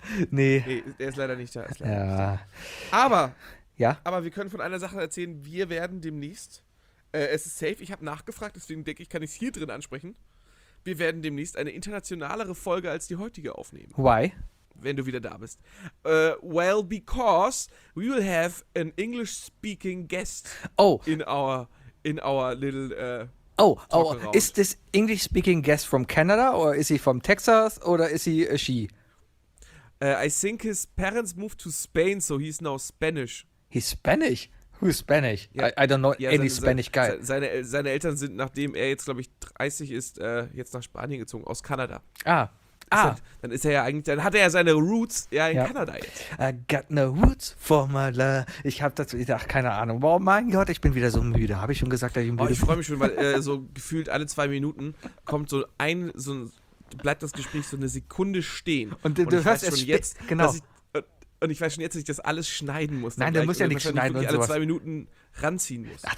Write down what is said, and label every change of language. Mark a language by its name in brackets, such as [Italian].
[German] Nee. Der ist leider nicht da. Ist leider ja. Nicht da. Aber... Ja. Aber wir können von einer Sache erzählen, wir werden demnächst, es ist safe, ich habe nachgefragt, deswegen denke ich, kann ich es hier drin ansprechen, wir werden demnächst eine internationalere Folge als die heutige aufnehmen. [English] Why? [German] Wenn du wieder da bist. [English] Well, because we will have an English-speaking guest in our little is this English-speaking guest from Canada or is he from Texas or is he a she? I think his parents moved to Spain, so he's now Spanish. He's Spanish? Who's Spanish? Yeah. I don't know any Spanish guy. [German] Seine Eltern sind, nachdem er jetzt, glaube ich, 30 ist, jetzt nach Spanien gezogen, aus Kanada. Dann ist er ja eigentlich, dann hat er ja seine Roots ja in Kanada jetzt. [English] I got no roots for my love. [German] Keine Ahnung. Wow, mein Gott, ich bin wieder so müde. Habe ich schon gesagt, dass ich müde bin? Ich freue mich schon, weil so gefühlt alle zwei Minuten kommt bleibt das Gespräch so eine Sekunde stehen. Und du ich hörst weiß schon jetzt, genau. Und ich weiß schon jetzt, dass ich das alles schneiden muss. Nein, da musst du ja nichts schneiden und sowas. Alle zwei Minuten ranziehen muss.